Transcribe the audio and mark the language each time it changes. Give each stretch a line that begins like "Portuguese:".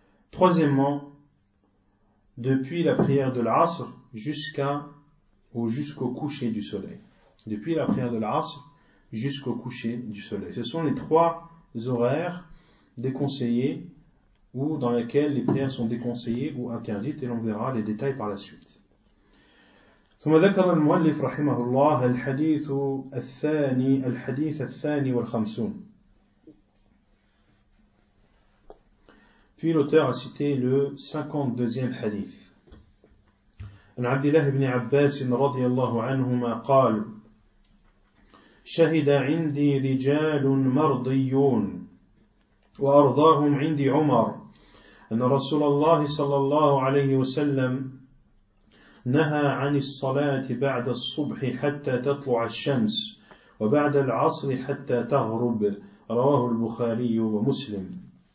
French: Troisièmement, depuis la prière de l'Asr jusqu'au coucher du soleil. Depuis la prière de l'Asr jusqu'au coucher du soleil. Ce sont les trois horaires déconseillés ou dans lesquelles les prières sont déconseillées ou interdites, et l'on verra les détails par la suite.
Arabic: ثم ذكر المؤلف رحمه الله الحديث الثاني والخمسون.
French: Puis l'auteur a cité le 52e hadith.
Arabic: عن عبد الله بن عباس رضي الله عنهما قال شهد عندي رجال مرضيون وأرضاهم عندي عمر أن رسول الله صلى الله عليه وسلم نهى عن الصلاة بعد الصبح حتى تطلع الشمس وبعد العصر حتى تغرب رواه البخاري ومسلم.